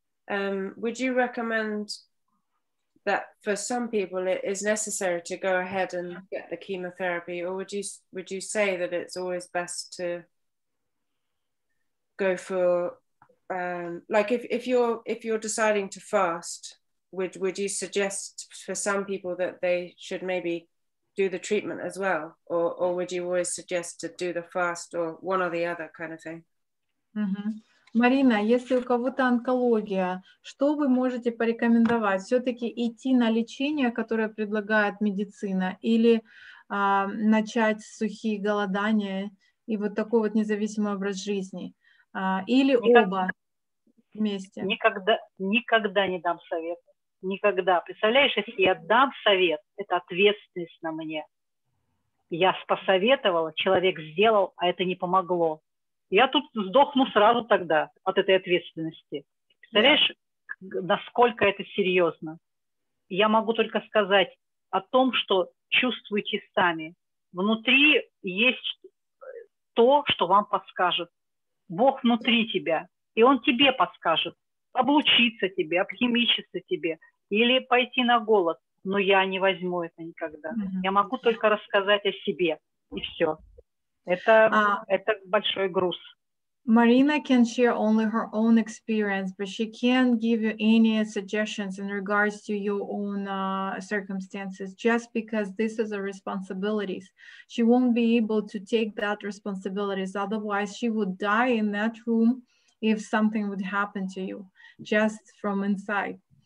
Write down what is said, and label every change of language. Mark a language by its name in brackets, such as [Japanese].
[English] Would you recommend that for some people it is necessary to go ahead and get the chemotherapy, or would you say that it's always best to go for like if you're deciding to fast, would you suggest for some people that they should maybe do the treatment as well, or would you always suggest to do the fast or one or the other kind of thing? Mm-hmm. [Russian] Марина, если у кого-то онкология, что вы можете порекомендовать? Все-таки идти на лечение, которое предлагает медицина, или начать сухие голодания и вот такой вот независимый образ жизни? Или оба вместе? Никогда не дам совет. Никогда. Представляешь, если я дам совет, это ответственность на мне. Я посоветовала, человек сделал, а это не помогло. Я тут сдохну сразу тогда от этой ответственности. Представляешь, насколько это серьезно? Я могу только сказать о том, что чувствуете сами. Внутри есть то, что вам подскажет. Бог внутри тебя. И он тебе подскажет. Облучиться тебе, обхимичиться тебе. Или пойти на голод. Но я не возьму это никогда. Mm-hmm. Я могу только рассказать о себе. И все. Это большой груз. [English] Marina can share only her own experience, but she can't give you any suggestions in regards to your own circumstances, just because this is a responsibility. She won't be able to take that responsibilities. Otherwise, she would die in that room if something would happen to you, just from inside.